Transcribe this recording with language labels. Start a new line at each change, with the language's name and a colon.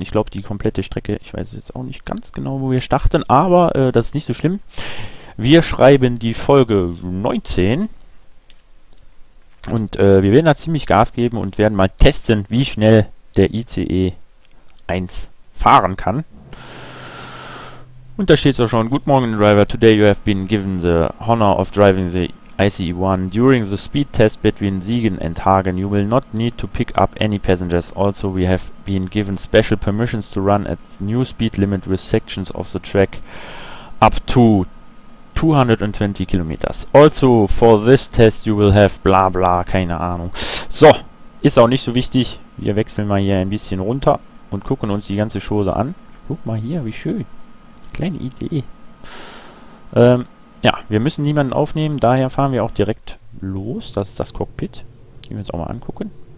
German: Ich glaube, die komplette Strecke, ich weiß jetzt auch nicht ganz genau, wo wir starten, aber das ist nicht so schlimm. Wir schreiben die Folge 19. Und wir werden da ziemlich Gas geben und werden mal testen, wie schnell der ICE 1 fahren kann. Und da steht es auch schon:
English: Good morning, driver. Today you have been given the honor of driving the ICE 1. During the speed test between Siegen and Hagen, you will not need to pick up any passengers. Also, we have been given special permissions to run at the new speed limit with sections of the track up to 220 Kilometers. Also, for this test you will have bla bla,
German: keine Ahnung. So, ist auch nicht so wichtig. Wir wechseln mal hier ein bisschen runter und gucken uns die ganze Chose an. Guck mal hier, wie schön. Kleine Idee. Ja, wir müssen niemanden aufnehmen, daher fahren wir auch direkt los. Das ist das Cockpit. Gehen wir uns auch mal angucken.